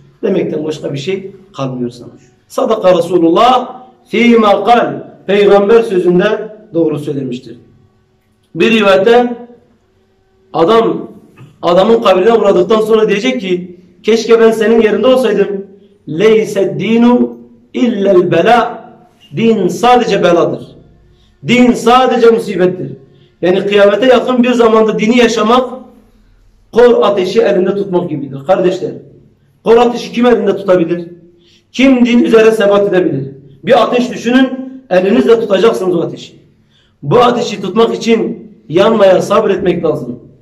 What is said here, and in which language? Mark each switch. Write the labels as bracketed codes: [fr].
[tr] Demekten başka bir şey kalmıyor sana. [ar] Sadaka Resulullah فِيْمَا قَالْ [tr] Peygamber sözünde doğru söylemiştir. Bir rivayette adamın kabrine uğradıktan sonra diyecek ki keşke ben senin yerinde olsaydım. [ar] لَيْسَ الدِّينُ اِلَّا الْبَلَى [tr] din sadece beladır. Din sadece musibettir. Yani kıyamete yakın bir zamanda dini yaşamak kor ateşi elinde tutmak gibidir. Kardeşler, kor ateşi kim elinde tutabilir? Kim din üzere sebat edebilir? Bir ateş düşünün, elinizle tutacaksınız o ateşi. Bu ateşi tutmak için yanmaya sabretmek lazım.